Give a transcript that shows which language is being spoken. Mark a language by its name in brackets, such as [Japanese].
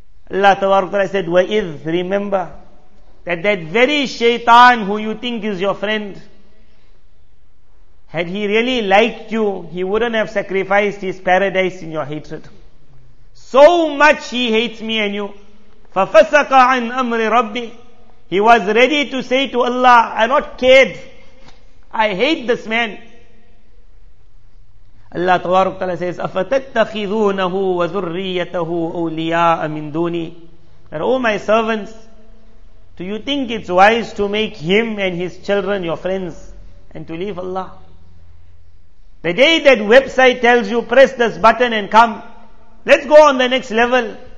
[English] Allah Ta'ala said, وَإِذْ, remember, that very shaitan who you think is your friend, had he really liked you, he wouldn't have sacrificed his paradise in your hatred. So much he hates me and you. [Arabic] فَفَسَقَ عَنْ أَمْرِ رَبِّي. [English] He was ready to say to Allah, I'm not cared. I hate this man. Allah Ta'ala says, [Arabic] أَفَتَتَّخِذُونَهُ وَذُرِّيَّتَهُ أَوْلِيَاءَ مِنْ دُونِي. [English] That, oh my servants, do you think it's wise to make him and his children your friends and to leave Allah? The day that website tells you, press this button and come, let's go on the next level.